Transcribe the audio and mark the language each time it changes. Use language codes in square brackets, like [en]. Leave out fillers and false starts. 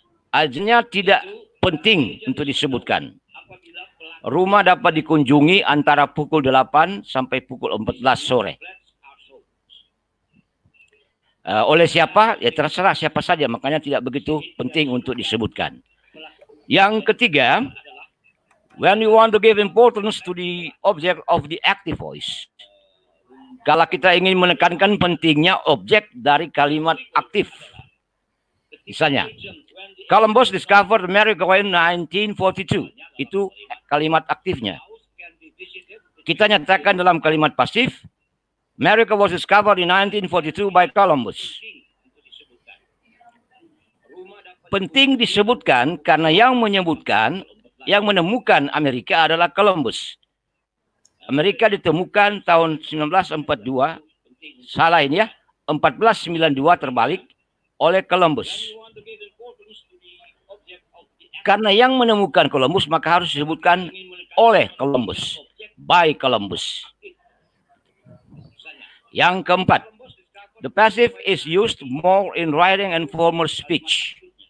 [id] Agentnya tidak penting untuk disebutkan. Rumah dapat dikunjungi antara pukul 8 sampai pukul 14 sore. Oleh siapa? Ya terserah siapa saja, makanya tidak begitu penting untuk disebutkan. Yang ketiga, [en] when you want to give importance to the object of the active voice. [id] Kalau kita ingin menekankan pentingnya objek dari kalimat aktif. [en] Misalnya, Columbus discovered America in 1942. [id] Itu kalimat aktifnya. Kita nyatakan dalam kalimat pasif, [en] America was discovered in 1942 by Columbus. [id] Penting disebutkan karena yang menyebutkan, yang menemukan Amerika adalah Columbus. Amerika ditemukan tahun 1942, salah ini ya, 1492 terbalik oleh Columbus. Karena yang menemukan Columbus, maka harus disebutkan oleh Columbus, by Columbus. Yang keempat, [en] the passive is used more in writing and formal speech.